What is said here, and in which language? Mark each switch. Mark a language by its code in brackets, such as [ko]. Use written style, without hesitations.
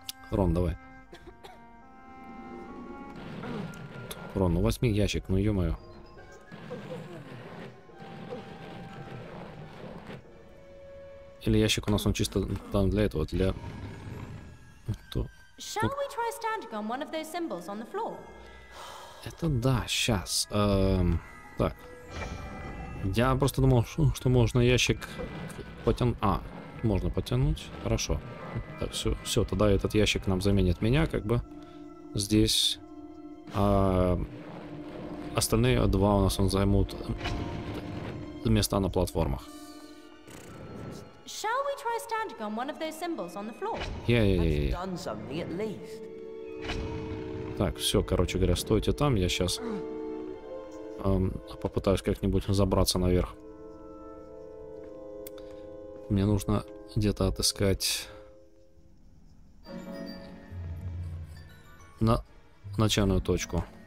[ru] Рон, давай. Рон, ну возьми ящик, ну ё-моё. Или ящик у нас, он чисто там для этого, для... [en] Shall we try standing on one of those symbols on the floor? [ru] Это да, сейчас. Так. Я просто думал, что можно ящик потянуть. А, можно потянуть. Хорошо. Так, все, все, тогда этот ящик нам заменит меня, как бы. Здесь. Остальные два у нас он займут места на платформах. [en] Shall we try standing on one of those symbols on the floor? [ru] Так, все, короче говоря, стойте там, я сейчас попытаюсь как-нибудь забраться наверх. Мне нужно где-то отыскать на начальную точку.